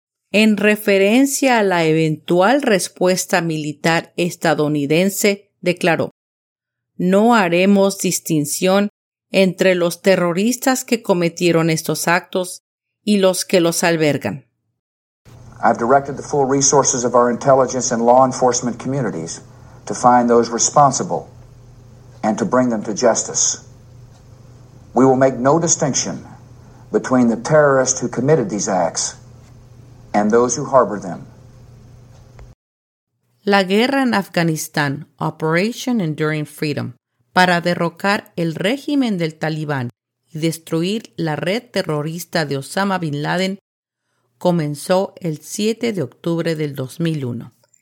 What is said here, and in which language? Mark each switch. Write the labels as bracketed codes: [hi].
[es] En referencia a la eventual respuesta militar estadounidense, declaró: "No haremos distinción entre los terroristas que cometieron estos actos y los que los albergan". [en] I've directed the full resources of our intelligence and law enforcement communities to find those responsible and to bring them to justice. We will make no distinction between the terrorists who committed these acts and those who harbor them. [es] La guerra en Afganistán, Operation Enduring Freedom, para derrocar el régimen del Talibán y destruir la red terrorista de Osama Bin Laden, comenzó el 7 de octubre del 2001.